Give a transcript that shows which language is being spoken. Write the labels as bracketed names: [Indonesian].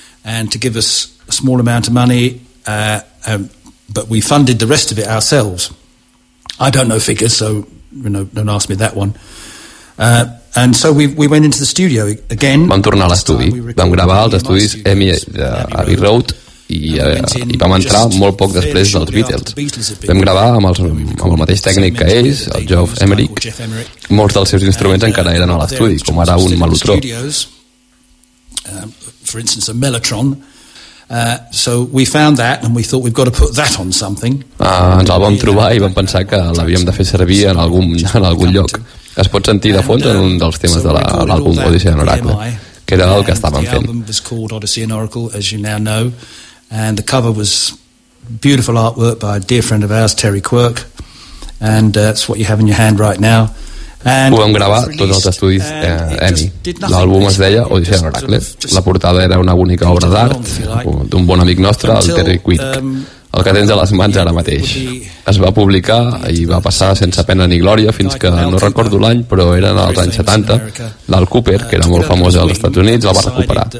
[English] And to give us a small amount of money, but we funded the rest of it ourselves. I don't know figures, so you know, don't ask me that one. And so we went into the studio again. [Catalan] Vam tornar a l'estudi, vam gravar els estudis EMI de Abbey Road i vam entrar molt poc després dels Beatles. Vam gravar amb el mateix tècnic que ells, el Geoff Emerick. Molts dels seus instruments encara eren a l'estudi, com ara un mellotró. [English] For instance, a mellotron. So we found that and we thought we've got to put that on something. [Catalan] Ens el vam trobar i vam pensar que l'havíem de fer servir en algun lloc. Es pot sentir de fons en un dels temes de l'àlbum Odyssey and Oracle, que era el que estàvem fent. [English] The album was called Odyssey and Oracle, as you now know, and the cover was beautiful artwork by a dear friend of ours, Terry Quirk, and that's what you have in your hand right now. [Catalan] Ho vam gravar tots els estudis EMI. L'àlbum es deia Odyssey and Oracle. La portada era una bonica obra d'art d'un bon amic nostre, el Terry Quick, el que tens a les mans ara mateix. Es va publicar i va passar sense pena ni glòria fins que, no recordo l'any, però eren els anys 70, l'Al Cooper, que era molt famós als Estats Units, el va recuperar.